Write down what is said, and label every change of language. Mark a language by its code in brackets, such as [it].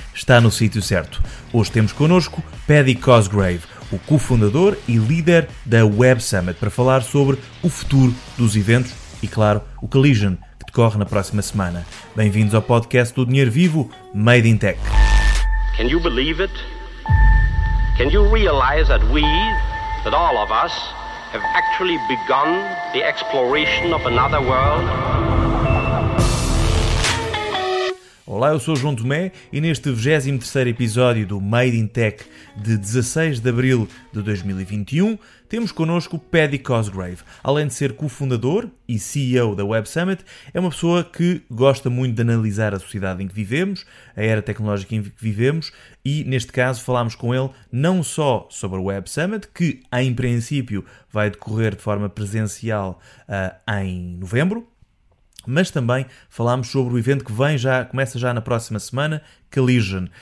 [pt] Está no sítio certo. Hoje temos connosco Paddy Cosgrave, o cofundador e líder da Web Summit, para falar sobre o futuro dos eventos e, claro, o Collision, que decorre na próxima semana. Bem-vindos ao podcast do Dinheiro Vivo, Made in Tech. [en] Can you believe it? Can you realize that we, that all of us, have actually begun the exploration of another world? [pt] Olá, eu sou João Tomé e neste 23º episódio do Made in Tech de 16 de abril de 2021, temos connosco Paddy Cosgrave. Além de ser cofundador e CEO da Web Summit, é uma pessoa que gosta muito de analisar a sociedade em que vivemos, a era tecnológica em que vivemos, e neste caso falámos com ele não só sobre a Web Summit, que em princípio vai decorrer de forma presencial em novembro, mas também falámos sobre o evento que vem já, começa já na próxima semana, Collision.